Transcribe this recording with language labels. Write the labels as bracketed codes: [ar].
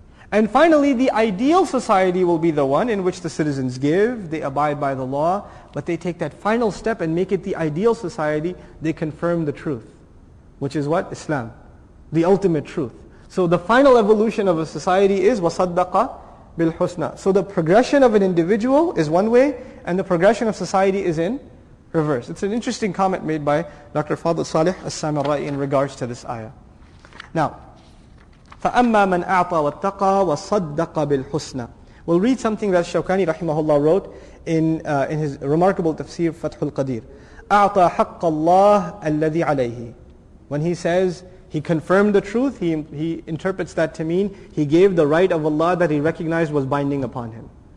[en] And finally, the ideal society will be the one in which the citizens give, they abide by the law, but they take that final step and make it the ideal society, they confirm the truth. Which is what? Islam. The ultimate truth. So the final evolution of a society is [ar] وَصَدَّقَ بِالْحُسْنَى. [en] So the progression of an individual is one way, and the progression of society is in reverse. It's an interesting comment made by Dr. Fadl Salih al-Samarai in regards to this ayah. Now, [ar] فَأَمَّا مَنْ أَعْطَى وَاتَّقَى وَصَدَّقَ بِالْحُسْنَى. [en] We'll read something that Shawkani rahimahullah wrote in his remarkable tafsir, Fathul Qadir. [ar] أَعْطَى حَقَّ اللَّهِ الَّذِي عَلَيْهِ. [en] When he says, he confirmed the truth, he interprets that to mean, he gave the right of Allah that he recognized was binding upon him.